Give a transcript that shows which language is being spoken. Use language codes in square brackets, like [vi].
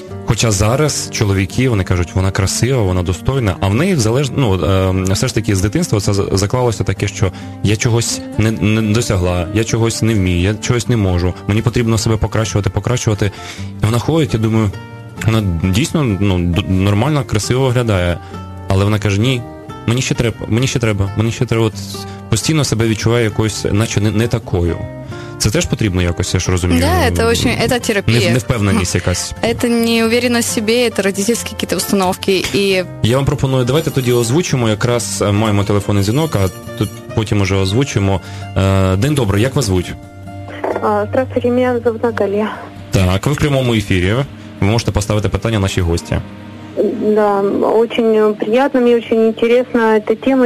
[uk] Хоча зараз чоловіки, вони кажуть, вона красива, вона достойна, а в неї залежно, ну, все ж таки з дитинства це заклалося таке, що я чогось не досягла, я чогось не вмію, я чогось не можу, мені потрібно себе покращувати, покращувати. І вона ходить, я думаю, вона дійсно, ну, нормально, красиво виглядає, але вона каже, ні, мені ще треба, от постійно себе відчуває якоюсь, наче не такою. Це теж потрібно якось, я ж розумію. [ru] Да, это очень, это терапия. [uk] Невпевненість якась. [ru] Это не уверенность в себе, это родительские какие-то установки. И... [uk] Я вам пропоную, давайте тоді озвучимо, якраз маємо телефонний дзвінок, а тут потім уже озвучимо. День добрий, як вас звуть? [ru] Здравствуйте, меня зовут Наталья. [uk] Так, ви в прямому ефірі. Ви можете поставити питання нашій гості. [ru] Да, очень приятно, мне очень интересна эта тема.